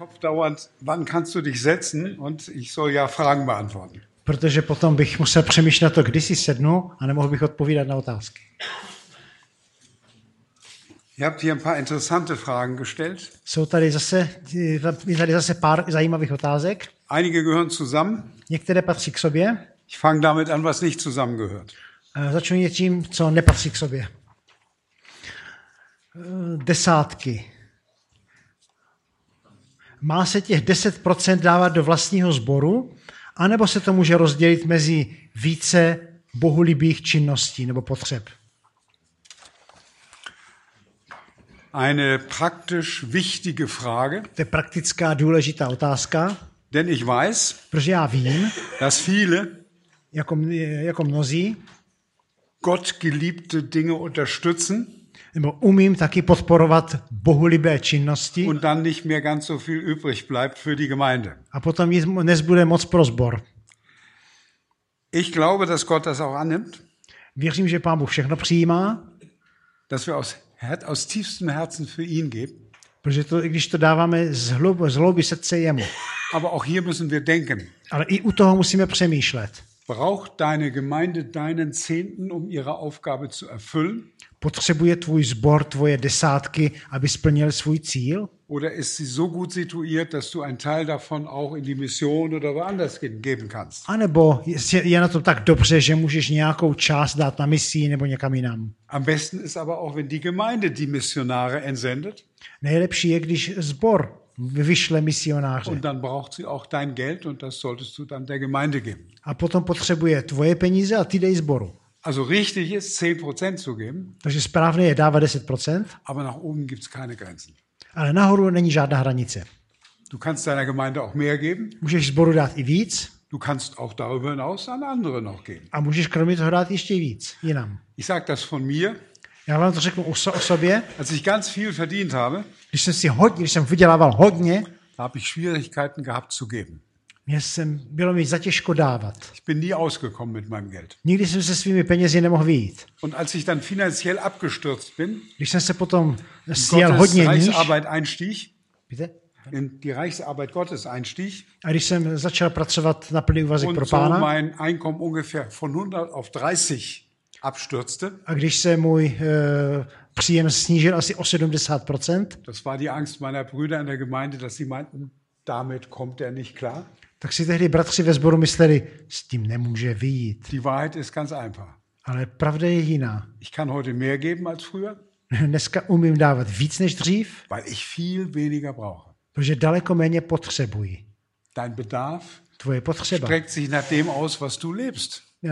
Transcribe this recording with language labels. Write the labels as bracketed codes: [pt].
[de] Kopf dauernd, wann kannst du dich setzen und ich soll ja Fragen beantworten. [cs] Protože potom bych musel přemýšlet to, kdy si sednu a nemohl bych odpovídat na otázky. [de] Ihr habt hier ein paar interessante Fragen gestellt. [cs] Jsou tady zase pár zajímavých otázek. [de] Einige gehören zusammen. [cs] Některé patří k sobě. [de] Ich fange damit an, was nicht zusammengehört. [cs] Začnu něčím, co nepatří k sobě. Desátky. Má se těch 10% dávat do vlastního sboru, anebo se to může rozdělit mezi více bohulibých činností nebo potřeb? [de] Eine praktisch wichtige Frage. [cs] To je praktická důležitá otázka. [de] Denn ich weiß, [cs] protože já vím, [de] dass viele, [cs] jako mnozí, [de] Gott geliebte Dinge unterstützen. [cs] Nebo umím taky podporovat bohulibé činnosti. [de] Und dann nicht mehr ganz so viel übrig bleibt für die Gemeinde. [cs] A potom nezbude moc pro sbor. [de] Ich glaube, dass Gott das auch annimmt. [cs] Věřím, že Pán Bůh všechno přijímá. [de] Dass wir aus tiefstem Herzen für ihn geben. [cs] Protože to, když to dáváme z hlouby srdce jemu. [de] Aber auch hier müssen wir denken. [cs] Ale i u toho musíme přemýšlet. [de] Braucht deine Gemeinde deinen Zehnten, um ihre Aufgabe zu erfüllen? [cs] Potřebuje tvůj sbor tvoje desátky, aby splnil svůj cíl? [de] Oder ist sie so gut situiert, dass du einen Teil davon auch in die Mission oder woanders geben kannst? [cs] A nebo je na tom tak dobře, že můžeš nějakou část dát na misi nebo někam jinam? [de] Am besten ist aber auch, wenn die Gemeinde die Missionare entsendet. [cs] Nejlepší je, když sbor vyšle misionáře. [de] Und dann braucht sie auch dein Geld und das solltest du dann der Gemeinde geben. [cs] A potom potřebuje tvoje peníze a ty dej sboru. [de] Also richtig ist 10% zu geben. [cs] Takže správně je dávat 10%. [de] Aber nach oben gibt's keine Grenzen. [cs] Ale nahoru není žádná hranice. [de] Du kannst deiner Gemeinde auch mehr geben. [cs] Můžeš sboru dát i víc. [de] Du kannst auch darüber hinaus an andere noch geben. [cs] A můžeš kromě toho dát ještě víc jinam. [de] Ich sag das von mir. [cs] Já vám to řeknu o sobě. [de] Als ich ganz viel verdient habe, [cs] když jsem vydělával hodně, [de] habe ich Schwierigkeiten gehabt zu geben. [cs] Bylo mi za těžko dávat. [de] Ich bin nie ausgekommen mit meinem Geld. [cs] Nikdy jsem se svými penězi nemohl vyjít. [de] Und als ich dann finanziell abgestürzt bin, [cs] když jsem se potom sjel hodně níž, [de] Reichsarbeit einstieg, [cs] bitte? [de] In die Reichsarbeit Gottes einstieg, [cs] a když jsem začal pracovat na plný úvazek pro Pána, [de] so mein Einkommen ungefähr von 100 auf 30 abstürzte, [cs] a když se můj příjem snížil asi o 70%, [de] das war die Angst meiner Brüder in der Gemeinde, dass sie meinten, damit kommt er nicht klar. [cs] Tak si tehdy bratři ve sboru mysleli, s tím nemůže vyjít. [de] Die Wahrheit ist ganz einfach. [cs] Ale pravda je jiná. [de] Ich kann heute mehr geben als früher. [cs] Dneska umím dávat víc než dřív. [de] Weil ich viel weniger brauche. [cs] Protože daleko méně potřebuji. [de] Dein Bedarf, [cs] tvoje potřeba, [de] streckt sich nach dem aus, was du lebst.